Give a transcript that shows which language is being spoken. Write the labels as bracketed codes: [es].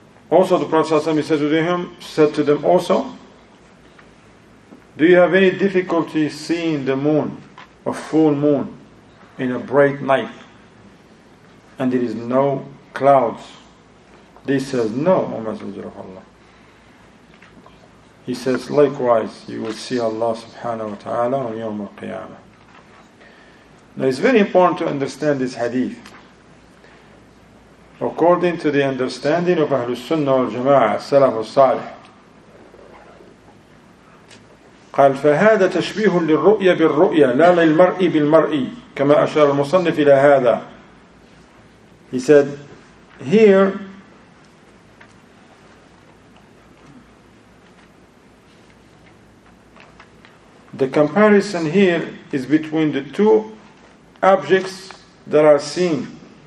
[en] Also, the Prophet ﷺ said to them also, do you have any difficulty seeing the moon, a full moon, in a bright night, and there is no clouds? They says, no, O Messenger of Allah. He says, likewise, you will see Allah subhanahu wa ta'ala on Yawm al-Qiyamah. Now it's very important to understand this hadith. According to the understanding of Ahlul Sunnah al-Jama'ah, Salaf al-Salih, [ar] قال فهذا تشبيه للرؤية بالرؤية لا للمرء بالمرء كما أشار المصنف إلى هذا. [en] He said, here the comparison here is between the two objects that are seen.